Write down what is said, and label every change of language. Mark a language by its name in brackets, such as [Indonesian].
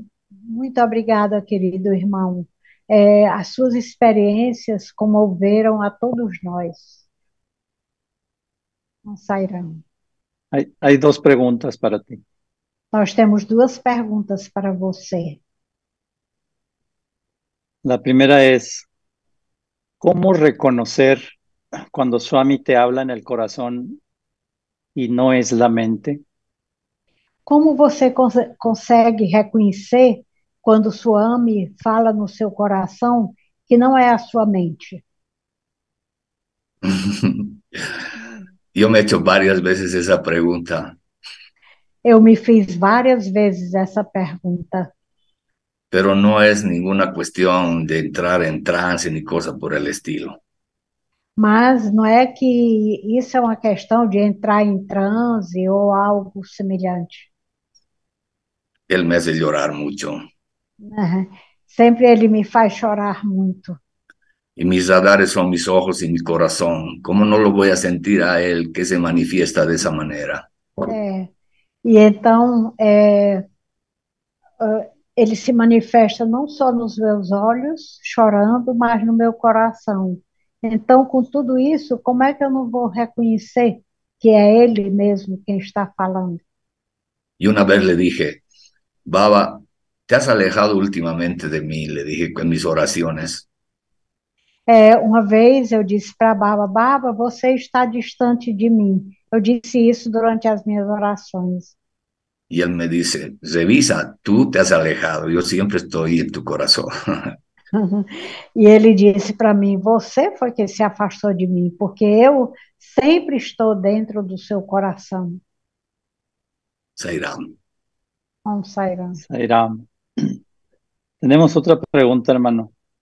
[Portuguese] Muito obrigada, querido irmão. As suas experiências comoveram a todos nós. Não sairão. Aí, duas perguntas para ti. Nós temos duas perguntas para você. [Spanish] La primera es, ¿cómo reconocer cuando Swami te habla en el corazón y no es la mente? [Portuguese] Como você consegue reconhecer quando Swami fala no seu coração que não é a sua mente? [Spanish] Yo me he hecho varias veces esa pregunta. [Portuguese] Eu me fiz várias vezes essa pergunta. [Spanish] Pero no es ninguna cuestión de entrar en trance ni cosa por el estilo. [Portuguese] Mas não é que isso é uma questão de entrar em transe ou algo semelhante. [Spanish] Él me hace llorar mucho. [Portuguese] Sempre ele me faz chorar muito. [Spanish] Y mis radares son mis ojos y mi corazón. ¿Cómo no lo voy a sentir a él que se manifiesta de esa manera? [Portuguese] E então, ele se manifesta não só nos meus olhos, chorando, mas no meu coração. Então, com tudo isso, como é que eu não vou reconhecer que é ele mesmo quem está falando? [Spanish] Y una vez le dije, Baba, te has alejado últimamente de mí, le dije con mis oraciones. [Portuguese] Uma vez eu disse para Baba, você está distante de mim. Eu disse isso durante as minhas orações. [Spanish] Y él me dice, revisa, tú te has alejado, yo siempre estoy en tu corazón. [Portuguese] E ele disse para mim: você foi que se afastou de mim, porque eu sempre estou dentro do seu coração. Sairam. Vamos sair. Sairam. Temos outra pergunta, hermano.